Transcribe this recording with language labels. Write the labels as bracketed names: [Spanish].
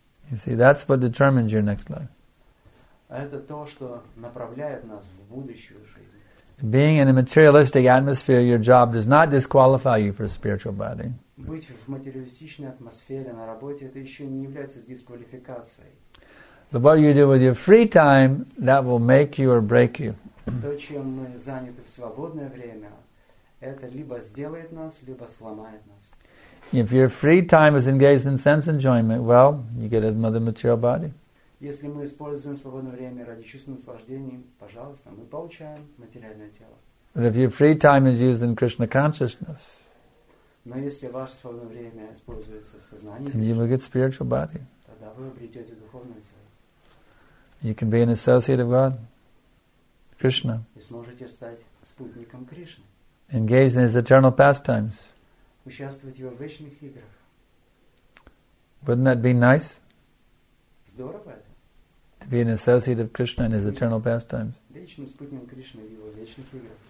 [English] You see, that's what determines your next life. Being in a materialistic atmosphere, your job does not disqualify you for a spiritual body. But what you do with your free time, that will make you or break you. [Russian] То, чем мы заняты в свободное время, это либо сделает нас, либо сломает нас. [English] If your free time is engaged in sense enjoyment, well, you get another material body. [Russian] Если мы используем свободное время ради чувственных наслаждений, пожалуйста, мы получаем материальное тело. [English] But if your free time is used in Krishna consciousness, [Russian] но если ваше свободное время используется в сознании, [English] then you will get spiritual body. [Russian] Тогда вы обретете духовное тело. [English] You can be an associate of God, Krishna. [Russian] Вы сможете стать спутником Кришны. [English] Engaged in his eternal pastimes. [Russian] Участвовать в его вечных играх. [English] Wouldn't that be nice? [Russian] Здорово это. [English] To be an associate of Krishna in his eternal pastimes. [Russian] Вечным спутником Кришны в его вечных играх.